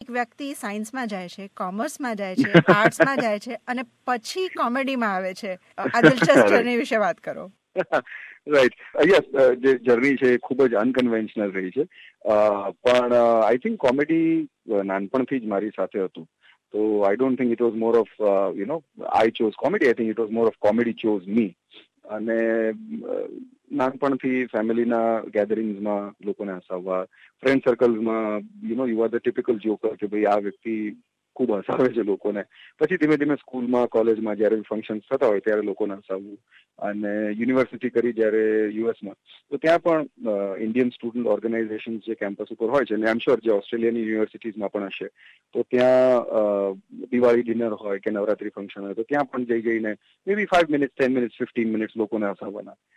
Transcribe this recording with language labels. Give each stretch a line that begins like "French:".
Gujarati: એક વ્યક્તિ સાયન્સમાં જાય છે, કોમર્સમાં જાય છે, આર્ટ્સમાં જાય છે, અને પછી કોમેડીમાં આવે છે. આ દિલચસ્પ જર્ની વિશે વાત કરો.
English: right, yes,
Gujarati: જે જર્ની છે એ ખૂબ જ અનકન્વેન્શનલ રહી છે. પણ
English: I think
Gujarati: કોમેડી નાનપણથી જ મારી સાથે હતું.
English: So I don't think it was more of, I chose comedy. I think it was more of comedy chose me.
Gujarati: અને નાનપણથી ફેમિલીના ગેધરિંગ્સમાં લોકોને હસાવવા, friend સર્કલ્સમાં,
English: you know, you are the typical joker,
Gujarati: કે ભાઈ આ વ્યક્તિ ખૂબ હસાવે છે લોકોને. પછી ધીમે ધીમે સ્કૂલમાં, કોલેજમાં જ્યારે ફંક્શન થતા હોય ત્યારે લોકોને હસાવવું, અને યુનિવર્સિટી કરી જ્યારે યુએસમાં, તો ત્યાં પણ ઇન્ડિયન સ્ટુડન્ટ ઓર્ગેનાઇઝેશન જે કેમ્પસ ઉપર હોય છે, અને
English: I am sure
Gujarati: જે ઓસ્ટ્રેલિયાની યુનિવર્સિટીઝમાં પણ હશે, તો ત્યાં દિવાળી ડિનર હોય કે નવરાત્રી ફંક્શન હોય, તો ત્યાં પણ જઈને
English: maybe
Gujarati: 5 મિનિટ્સ, 10 મિનિટ્સ, 15 મિનિટ્સ લોકોને હસાવવાના.